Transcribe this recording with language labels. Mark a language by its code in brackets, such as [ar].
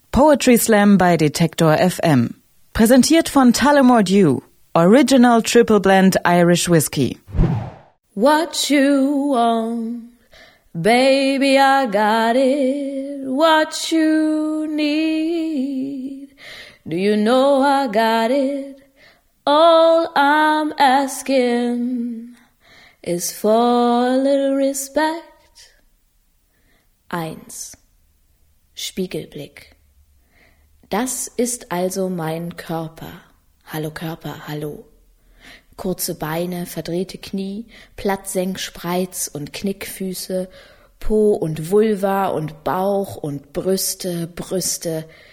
[de] Poetry Slam bei Detektor FM. Präsentiert von Tullamore Dew. [en] Original Triple Blend Irish Whiskey. What you want, baby, I got it. What you need, do you know I got it? All I'm asking is for a little respect. [de] Eins. Spiegelblick. Das ist also mein Körper. Hallo Körper, hallo. Kurze Beine, verdrehte Knie, Plattsenk, Spreiz und Knickfüße, Po und Vulva und Bauch und Brüste, Brüste.